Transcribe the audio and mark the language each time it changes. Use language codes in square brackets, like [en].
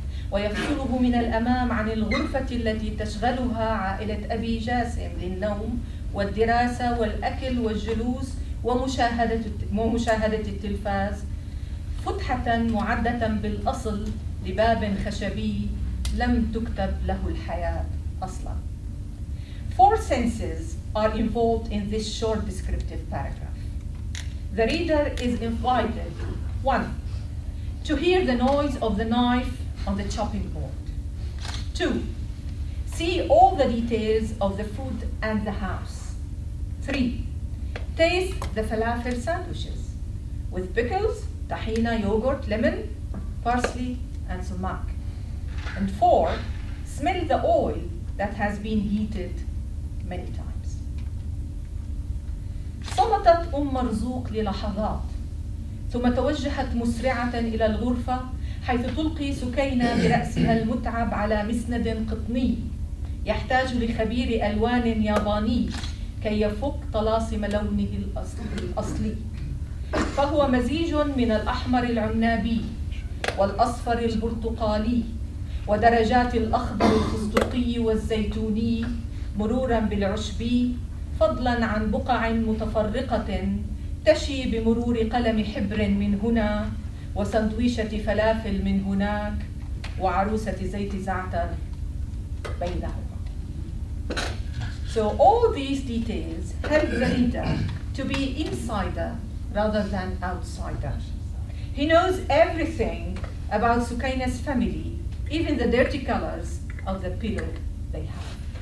[ar] ويفصله من الأمام عن الغرفة التي تشغلها عائلة أبي جاسم للنوم والدراسة والأكل والجلوس ومشاهدة التلفاز فتحة معدة بالأصل لباب خشبي لم تكتب له الحياة أصلا. [en] Four senses are involved in this short descriptive paragraph. The reader is invited, one, to hear the noise of the knife on the chopping board. Two, see all the details of the food and the house. Three, taste the falafel sandwiches with pickles, tahina, yogurt, lemon, parsley, and sumac. And four, smell the oil that has been heated many times. [ar] صمتت أم مرزوق للحظات ثم توجهت مسرعة إلى الغرفة حيث تلقي سكينة برأسها المتعب على مسند قطني يحتاج لخبير ألوان ياباني كي يفك طلاسم لونه الأصلي فهو مزيج من الأحمر العنابي والأصفر البرتقالي ودرجات الأخضر الفستقي والزيتوني مرورا بالعشبي فضلا عن بقع متفرقة تشي بمرور قلم حبر من هنا وسندويشة فلافل من هناك وعروستي زيت زعتر بينهما. [en] So all these details help Zahida to be insider rather than outsider. He knows everything about Sukaina's family, even the dirty colors of the pillow they have.